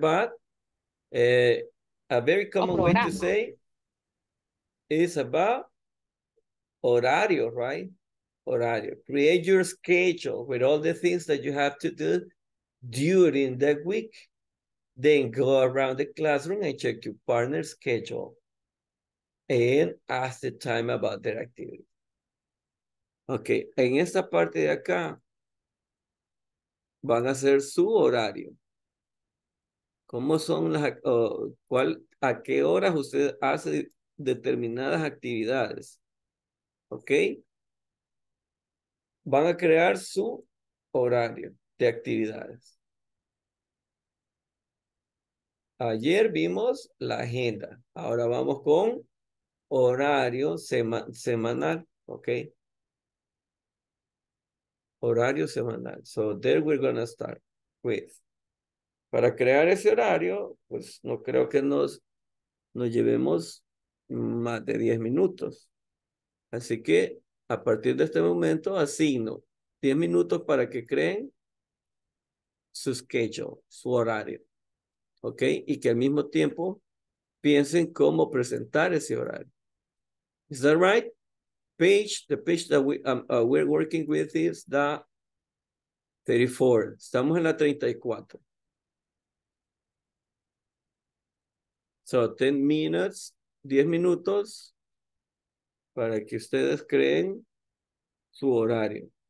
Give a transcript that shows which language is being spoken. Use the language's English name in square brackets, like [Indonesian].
[English] But a very common way to say is about horario, right? Horario. Create your schedule with all the things that you have to do during the week. Then go around the classroom and check your partner's schedule and ask the time about their activity. [Spanish] Okay, en esta parte de acá van a hacer su horario. ¿Cómo son las a qué horas usted hace determinadas actividades? Okay. Van a crear su horario de actividades. Ayer vimos la agenda. Ahora vamos con horario semanal. Okay. Horario semanal. [English] So there we're going to start with. [Spanish] Para crear ese horario, pues no creo que nos llevemos más de 10 minutos. Así que a partir de este momento asigno 10 minutos para que creen su schedule, su horario. ¿Ok? Y que al mismo tiempo piensen cómo presentar ese horario. [English] Is that right? The page that we're working with is the 34. [Spanish] Estamos en la 34. [English] So 10 minutes, [Spanish] 10 minutos para que ustedes creen su horario.